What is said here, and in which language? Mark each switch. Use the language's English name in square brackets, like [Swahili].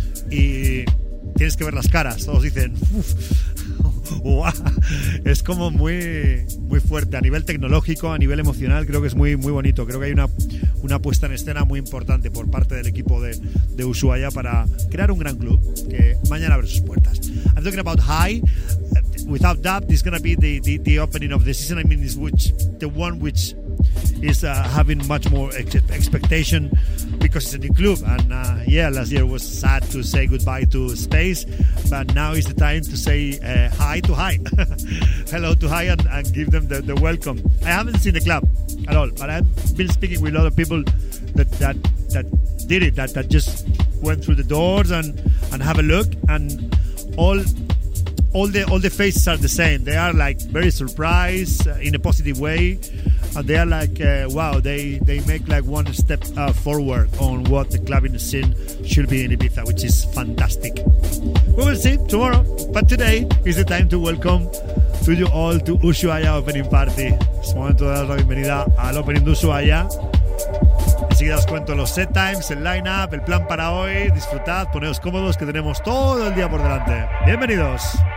[Spanish] Y tienes que ver las caras, todos dicen uff, wow. Es como muy, muy fuerte a nivel tecnológico, a nivel emocional. Creo que es muy, muy bonito. Creo que hay una puesta en escena muy importante por parte del equipo de Ushuaia para crear un gran club que mañana abre sus puertas. [English] I'm talking about High. Without doubt, this is going to be the opening of the season. I mean, this which the one which is having much more expectation because it's a new club. And yeah, last year was sad to say goodbye to Space, but now is the time to say hi to High. Hello to High and give them the welcome. I haven't seen the club at all, but I've been speaking with a lot of people that did it, that just went through the doors and have a look, and all the faces are the same. They are like very surprised in a positive way, and they are like wow, they make like one step forward on what the clubbing scene should be in Ibiza, which is fantastic. We will see tomorrow, but today is the time to welcome to you all to Ushuaia opening party. [Spanish] Es momento de dar la bienvenida al opening de Ushuaia. Enseguida os cuento los set times, el lineup, el plan para hoy. Disfrutad, poneos cómodos, que tenemos todo el día por delante. Bienvenidos.